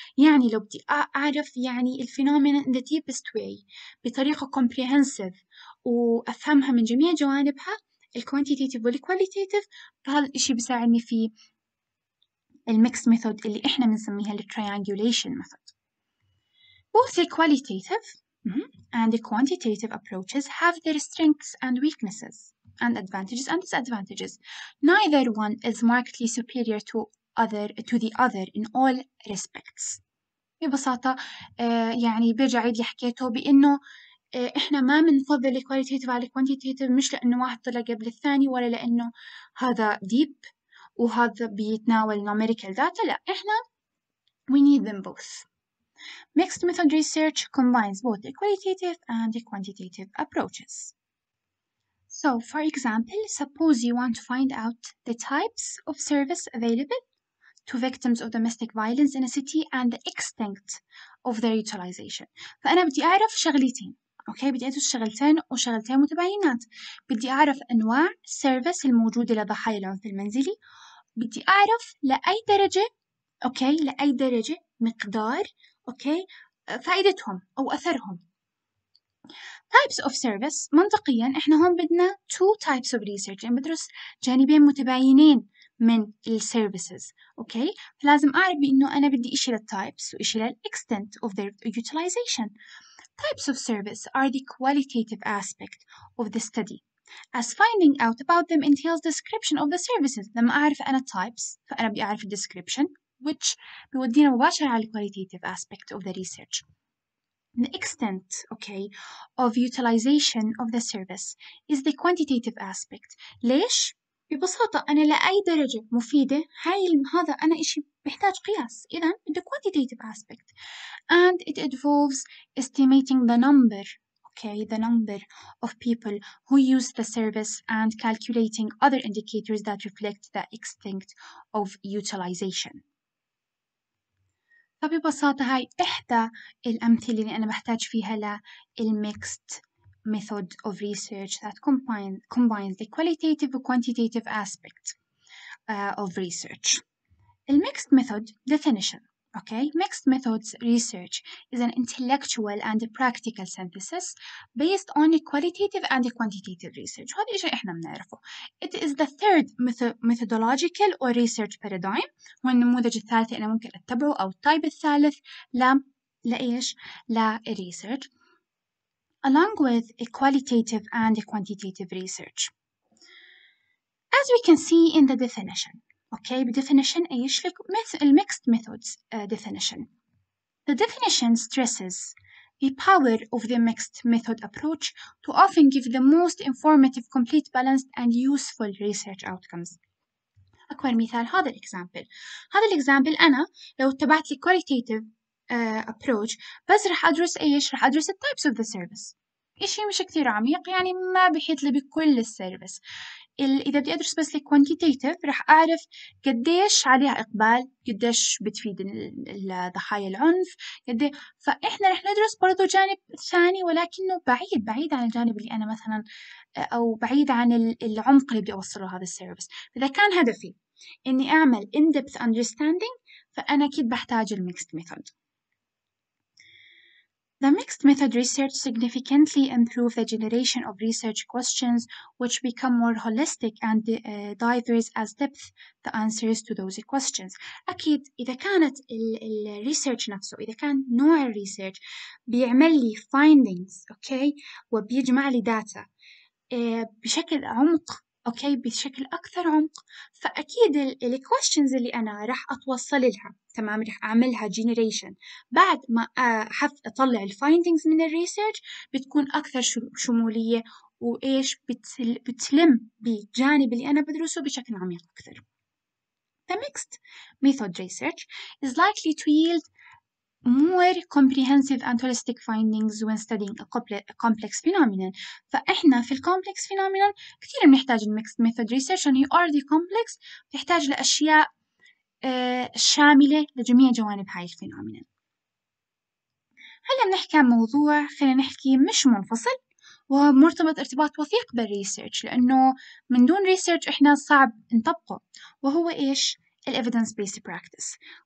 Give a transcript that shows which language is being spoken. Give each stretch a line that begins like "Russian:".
Arabic: يعني لو بدي أعرف يعني الفينومينون
English: in the deepest way
Arabic: بطريقة comprehensive وأفهمها من جميع جوانبها الـ quantitative والـ qualitative، فهذا الشيء بيساعدني في الميكس ميثود اللي احنا بنسميها التريانجوليشن ميثود.
English: Both the qualitative and the quantitative approaches have their strengths and weaknesses and advantages and disadvantages. Neither one is markedly superior to the other in all respects.
Arabic: ببساطة يعني برجع عيد اللي حكيته بانه احنا ما بنفضل الكواليتيتيف على الكوانتيتيتيف، مش لانه واحد طلع قبل الثاني ولا لانه هذا ديب وهذا بيتناول numerical data، لا إحنا
English: we need them both. Mixed method research combines both the qualitative and the quantitative approaches. So for example, suppose you want to find out the types of service available to victims of domestic violence in a city and the extent of their utilization.
Arabic: فأنا بدي أعرف شغلتين أوكي، بدي أدرس شغلتين وشغلتين متباينات. بدي أعرف أنواع service الموجودة لضحايا العنف المنزلي، بدي أعرف لأي درجة أوكي لأي درجة مقدار أوكي فائدتهم أو أثرهم.
English: types of service
Arabic: منطقيا إحنا هون بدنا
English: two types of research،
Arabic: يعني بدرس جانبين متباينين من الـ services. أوكي، فلازم أعرف بإنه أنا بدي إشي للـ types وإشي للـ
English: extent of their utilization. Types of service are the qualitative aspect of the study, as finding out about them entails description of the services.
Arabic: لما أعرف أنا types فأنا بدي أعرف description, which بيودينا مباشرة على
English: qualitative aspect of the research. The extent, okay, of utilization of the service is the quantitative aspect.
Arabic: ليش؟ ببساطة أنا لأي درجة مفيدة هذا أنا إشي بحتاج قياس.
English: إذا the quantitative aspect, and it involves estimating the number, okay, the number of people who use the service and calculating other indicators that reflect the extent of utilization.
Arabic: فببساطة هاي إحدى الأمثلة اللي أنا بحتاج فيها للميكست
English: method of research that combines the qualitative and quantitative aspect of research. Mixed method definition. Okay, mixed methods research is an intellectual and a practical synthesis based on the qualitative and the quantitative research.
Arabic: هذا إيش إحنا بنعرفه.
English: It is the third methodological or research paradigm.
Arabic: هو النموذج الثالث اللي ممكن أتبعه أو type الثالث لإيش؟ لresearch.
English: Along with a qualitative and a quantitative research. As we can see in the definition, okay, definition is the mixed methods definition. The definition stresses the power of the mixed method approach to often give the most informative, complete, balanced, and useful research outcomes.
Arabic: أكبر مثال هذا الإكزامبل. هذا الإكزامبل أنا لو اتبعت لي qualitative approach بس رح أدرس إيش؟ رح أدرس
English: the types of the service.
Arabic: إشي مش كتير عميق يعني ما بيحيط لي بكل السيرفس. إذا بدي أدرس بس الكوانتيتيف رح أعرف قديش عليها إقبال، قديش بتفيد ضحايا العنف قدي. فإحنا رح ندرس برضو جانب ثاني ولكنه بعيد عن الجانب اللي أنا مثلا أو بعيد عن العمق اللي بدي أوصله هذا السيرفس. فإذا كان هدفي إني أعمل
English: in-depth understanding
Arabic: فأنا أكيد بحتاج الميكست ميثود.
English: The mixed method research significantly improves the generation of research questions, which become more holistic and diverse as depth the answers to those questions.
Arabic: أكيد إذا كانت ال research نفسه إذا كان نوع ال research بيعمل لي findings, okay, وبيجمع لي data بشكل عمق, okay, بشكل أكثر عمق, فأكيد ال questions اللي أنا راح أتوصل لها. تمام، رح أعملها generation بعد ما أطلع الفايندينجز من الريسيرش بتكون أكثر شمولية وإيش بتلم بجانب اللي أنا بدرسه بشكل عميق أكثر.
English: The mixed method research is likely to yield more comprehensive and holistic findings when studying a complex phenomenon.
Arabic: فإحنا في الcomplex phenomenon كثير بنحتاج
English: mixed method research and you are the complex
Arabic: بتحتاج لأشياء شاملة لجميع جوانب هاي الفينومينال. هلا بنحكي عن موضوع خلينا نحكي مش منفصل ومرتبط ارتباط وثيق بالريسيرش لأنه من دون ريسيرش إحنا صعب نطبقه, وهو إيش؟ الـ evidence based practice.